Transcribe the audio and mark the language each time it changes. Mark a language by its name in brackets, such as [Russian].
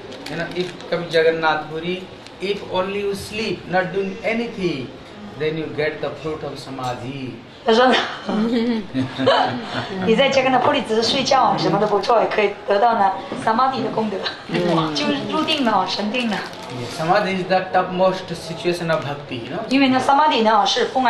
[English] You know, if come Jagannath Puri, if only you sleep, not doing anything, then you get the fruit of samadhi. [Chinese] 他说你在这个那普里只是睡觉，什么都不做，也可以得到呢，samadhi的功德，就入定了，神定了。 [English] Samadhi is the topmost situation of bhakti, you know.